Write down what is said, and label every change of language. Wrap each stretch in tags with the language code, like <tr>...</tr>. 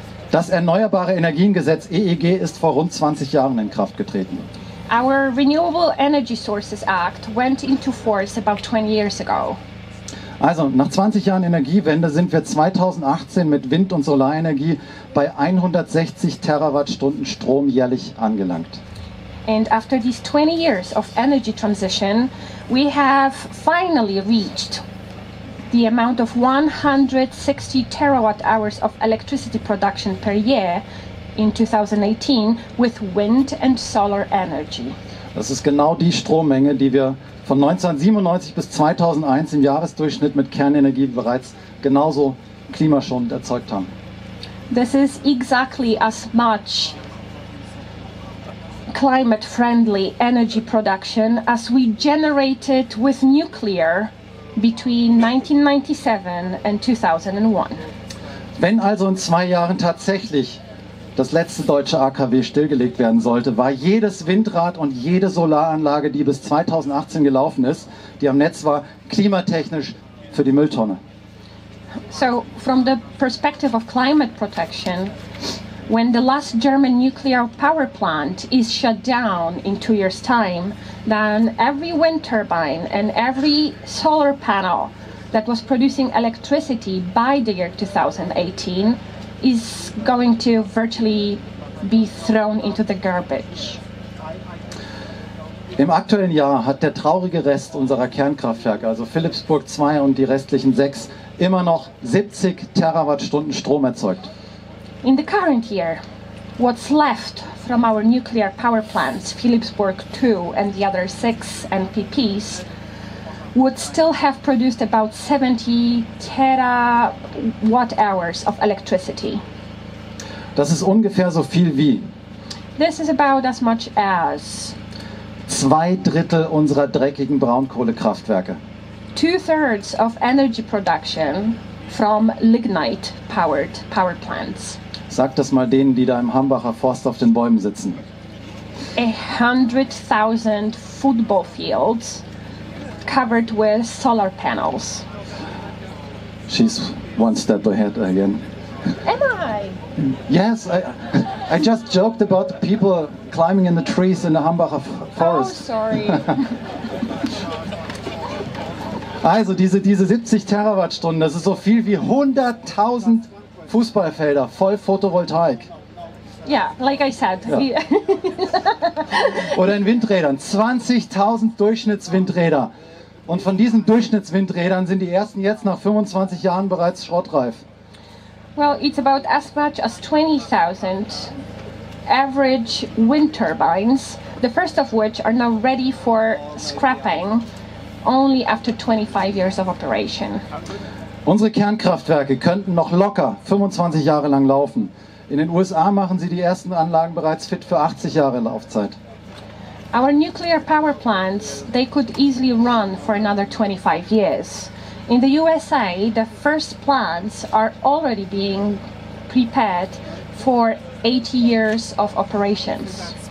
<de>Das Erneuerbare Energiengesetz EEG ist vor rund 20 Jahren in Kraft getreten.</de> <en>Our Renewable Energy Sources Act went into force about 20 years ago.</en> <de>Also, nach 20 Jahren Energiewende sind wir 2018 mit Wind- und Solarenergie bei 160 Terawattstunden Strom jährlich angelangt.</de> <en>And after these 20 years of energy transition, we have finally reached the amount of 160 terawatt-hours of electricity production per year in 2018 with wind and solar energy.</en> <de>Das ist genau die Strommenge, die wir von 1997 bis 2001 im Jahresdurchschnitt mit Kernenergie bereits genauso klimaschonend erzeugt haben.</de> <en>This is exactly as much climate-friendly energy production as we generated with nuclear between 1997 and 2001.</en> <de>Wenn also in zwei Jahren tatsächlich das letzte deutsche AKW stillgelegt werden sollte, war jedes Windrad und jede Solaranlage, die bis 2018 gelaufen ist, die am Netz war, klimatechnisch für die Mülltonne.</de> <en>So, from the perspective of climate protection, when the last German nuclear power plant is shut down in 2 years' time, then every wind turbine and every solar panel that was producing electricity by the year 2018 is going to virtually be thrown into the garbage.</en> <de>Im aktuellen Jahr hat der traurige Rest unserer Kernkraftwerke, also Philippsburg 2 und die restlichen 6, immer noch 70 Terawattstunden Strom erzeugt.</de> <en>In the current year, what's left from our nuclear power plants, Philippsburg 2 and the other 6 NPPs, would still have produced about 70 terawatt hours of electricity.</en> <de>Das ist ungefähr so viel wie.</de> <en>This is about as much as.</en> <de>Zwei Drittel unserer dreckigen Braunkohlekraftwerke.</de> <en>Two-thirds of energy production from lignite-powered power plants.</en> <de>Sag das mal denen, die da im Hambacher Forst auf den Bäumen sitzen.</de> <en>100,000 football fields covered with solar panels. She's one step ahead again. Am I? Yes, I just joked about the people climbing in the trees in the Hambacher Forest. Oh, sorry.</en> <de>Also diese 70 Terawattstunden, das ist so viel wie 100,000 Fußballfelder voll Photovoltaik.</de> <en>Yeah, like I said. Ja.</en> <de>Oder in Windrädern, 20,000 Durchschnittswindräder. Und von diesen Durchschnittswindrädern sind die ersten jetzt nach 25 Jahren bereits schrottreif.</de> <en>Well, it's about as much as 20,000 average wind turbines, the first of which are now ready for scrapping only after 25 years of operation.</en> <de>Unsere Kernkraftwerke könnten noch locker 25 Jahre lang laufen. In den USA machen sie die ersten Anlagen bereits fit für 80 Jahre Laufzeit.</de> <en>Our nuclear power plants, they could easily run for another 25 years. In the USA, the first plants are already being prepared for 80 years of operations.</en>